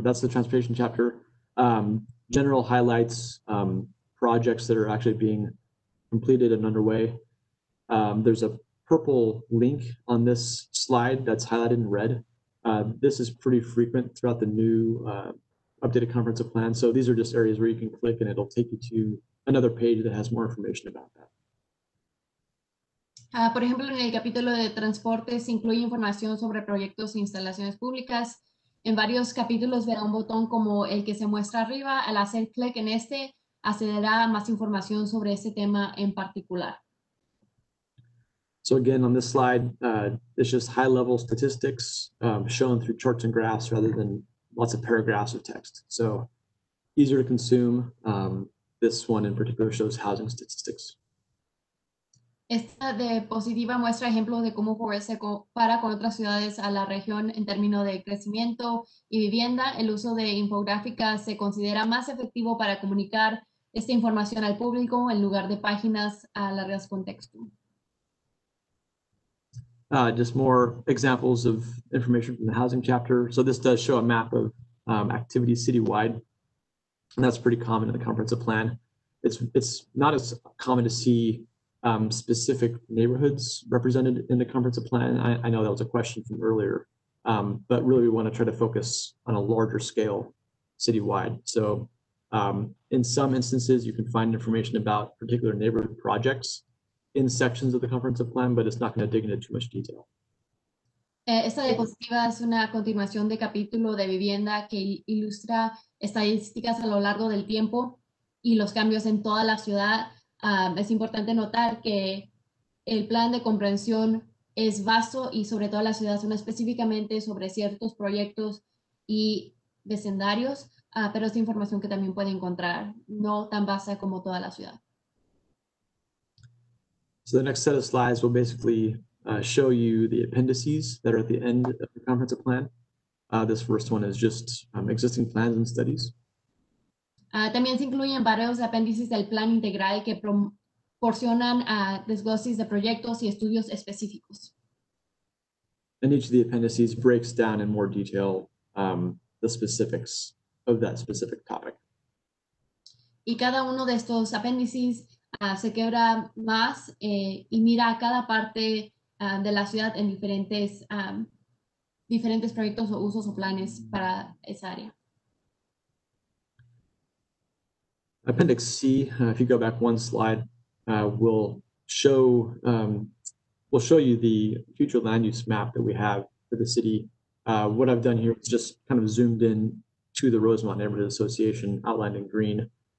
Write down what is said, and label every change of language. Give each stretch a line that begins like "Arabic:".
English: That's the transportation chapter. General highlights projects that are actually being completed and underway. There's a purple link on this slide that's highlighted in red. This is pretty frequent throughout the new updated comprehensive plan. So these are just areas where you can click and it'll take you to another page that has more information about that.
Spanish: Por ejemplo, en el capítulo de transportes incluye información sobre proyectos e instalaciones públicas. En varios capítulos verá un botón como el que se muestra arriba. Al hacer clic en este, accederá a más información sobre ese tema en particular.
English: So again, on this slide, it's just high level statistics shown through charts and graphs rather than lots of paragraphs of text. So easier to consume. This one in particular shows housing statistics.
Spanish: Esta diapositiva muestra ejemplos de cómo Juárez se compara con otras ciudades a la región en términos de crecimiento y vivienda. El uso de infográficas se considera más efectivo para comunicar esta información al público en lugar de páginas a largas contexto.
English: Just more examples of information from the housing chapter. So this does show a map of activity citywide. And that's pretty common in the comprehensive plan. It's not as common to see specific neighborhoods represented in the comprehensive plan. I know that was a question from earlier, but really we want to try to focus on a larger scale citywide. So in some instances, you can find information about particular neighborhood projects in sections of the comprehensive plan, but it's not going to dig into too much detail.
Spanish: Esta diapositiva es una continuación de capítulo de vivienda que ilustra estadísticas a lo largo del tiempo y los cambios en toda la ciudad. Es importante notar que el plan de comprensión es vasto y sobre todo la ciudad son específicamente sobre ciertos proyectos y vecindarios, pero es información que también puede encontrar, no tan vasta como toda la ciudad.
English: So the next set of slides will basically show you the appendices that are at the end of the comprehensive plan. This first one is just existing plans and studies.
Spanish: También se incluyen varios apéndices del plan integral que proporcionan desgloses de proyectos y estudios específicos.
English: And each of the appendices breaks down in more detail the specifics of that specific topic.
Spanish: Y cada uno de estos apéndices se quebra más y mira a cada parte de la ciudad en diferentes, diferentes proyectos o usos o planes para esa área.
English: Appendix C, if you go back one slide, we'll show you the future land use map that we have for the city. What I've done here is just kind of zoomed in to the Rosemont Neighborhood Association outlined in green.